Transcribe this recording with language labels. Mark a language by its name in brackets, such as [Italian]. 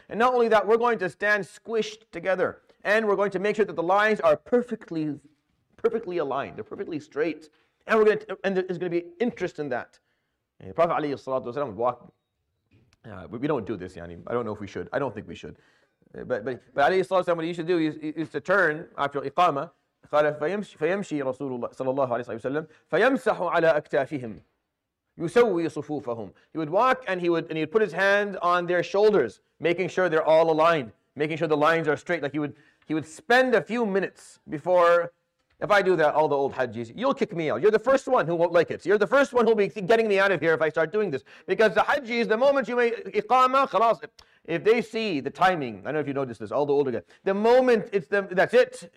[English] And not only that, we're going to stand squished together. And we're going to make sure that the lines are perfectly aligned. They're perfectly straight. And there's going to be interest in that. And Prophet Ali salatu wasalam would walk. We don't do this, Yani. I don't know if we should. I don't think we should. But Ali salatu wasalam, what he used to do is to turn after iqama. [Arabic] قال فيمشي رسول الله صلى الله عليه وسلم فيمسح على أكتافهم يسوي صفوفهم. [English] He would walk and he'd put his hand on their shoulders, making sure they're all aligned, making sure the lines are straight. Like he would spend a few minutes before. If I do that, all the old hajjis, you'll kick me out. You're the first one who won't like it. You're the first one who'll be getting me out of here if I start doing this. Because the hajjis, the moment you make iqama, khalas, if they see the timing, I don't know if you noticed this, all the older guys, the moment that's it.